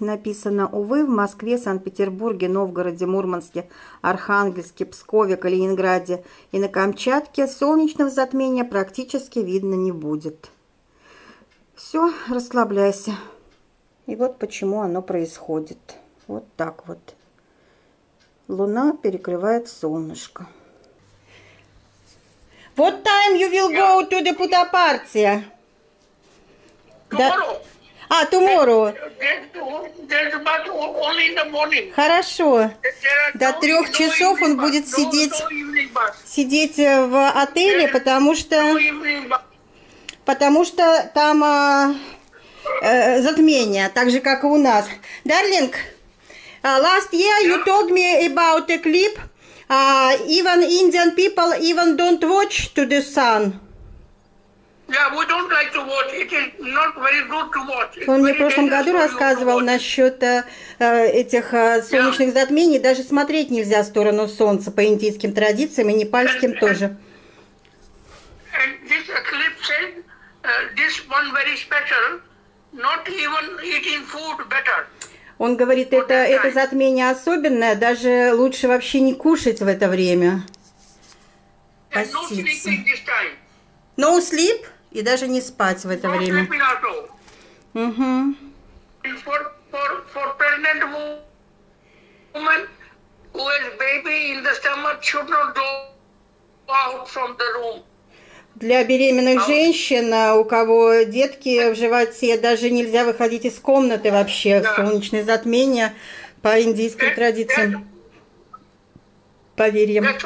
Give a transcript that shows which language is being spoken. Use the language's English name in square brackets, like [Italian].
[Russian] Написано, увы, в Москве, Санкт-Петербурге, Новгороде, Мурманске, Архангельске, Пскове, Калининграде и на Камчатке солнечного затмения практически видно не будет. Все, расслабляйся. И вот почему оно происходит. Вот так вот. Луна перекрывает солнышко. [English] What time you will go to the Buddha party? Tomorrow. That... tomorrow. There's only in the morning. [Russian] Хорошо. До трех часов он будет сидеть в отеле, потому что там затмение, так же, как и у нас. [English] Darling, last year you told me about a clip. Even Indian people even don't watch to the sun. Yeah, we don't like to watch. It is not very good to watch. It's [Russian] Он мне в прошлом году рассказывал насчет этих солнечных затмений. Даже смотреть нельзя в сторону солнца по индийским традициям и непальским тоже. [English] And this eclipse, this one very special, not even eating food better. [Russian] Он говорит, это затмение особенное, даже лучше вообще не кушать в это время. Поститься. [English] No sleep [Russian] и даже не спать в это время. Угу. [English] For pregnant woman who has baby in the stomach should not go out from the room. [Russian] Для беременных женщин, у кого детки в животе, даже нельзя выходить из комнаты вообще. Солнечное затмение по индийским традициям. Поверьем.